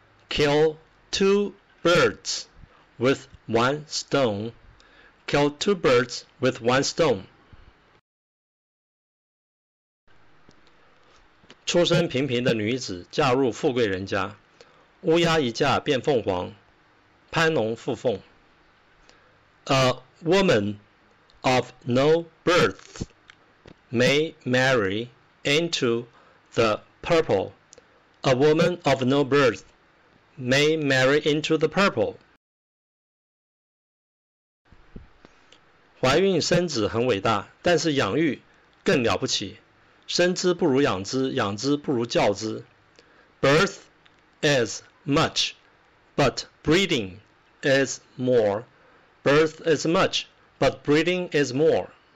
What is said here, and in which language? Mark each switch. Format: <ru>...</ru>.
<en>Kill two birds with one stone. Kill two birds with one stone.</en> <zh>出身平平的女子嫁入富贵人家，乌鸦一嫁变凤凰，攀龙附凤。</zh> <en>A woman of no birth may marry into the purple. A woman of no birth may marry into the purple.</en> <zh>怀孕生子很伟大，但是养育更了不起。生之不如养之，养之不如教之。</zh> <en>Birth is much, but breeding is more. Birth is much, but breeding is more.</en>